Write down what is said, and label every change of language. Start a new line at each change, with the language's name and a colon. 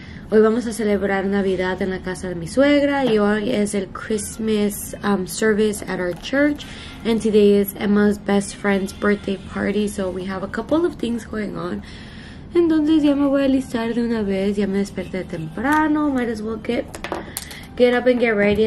Spanish: Hoy vamos a celebrar Navidad en la casa de mi suegra. Y hoy es el
English: Christmas service at our church. And today is Emma's best friend's birthday party. So we have a couple of things going on.
Spanish: Entonces ya me voy a listar de una vez. Ya me desperté temprano.
English: Might as well get up and get ready.